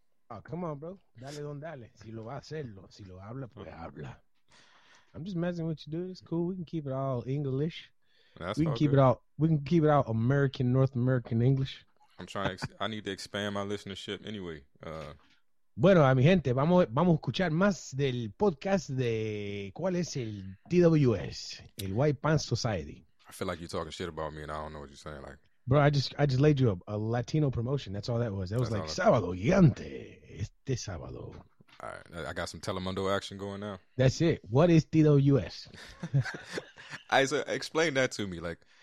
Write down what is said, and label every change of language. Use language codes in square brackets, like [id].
[en] Oh, come on, bro. [es] Dale don dale. Si lo va a hacerlo. Si lo habla, pues habla. [en] I'm just messing with you, dude. It's cool. We can keep it all English. We can keep it out American, North American English. I'm trying. I need to expand my listenership anyway. [es] Bueno, a mi gente, vamos a escuchar más del podcast de ¿Cuál es el TWS? [en] El White Pants Society. I feel like you're talking shit about me, and I don't know what you're saying. Like, bro, I just laid you a Latino promotion. That's all that was. That was like Sábado Gigante. [es] Este sábado. [en] All right, I got some Telemundo action going now. That's it. What is TWS? Explain that to me. Like,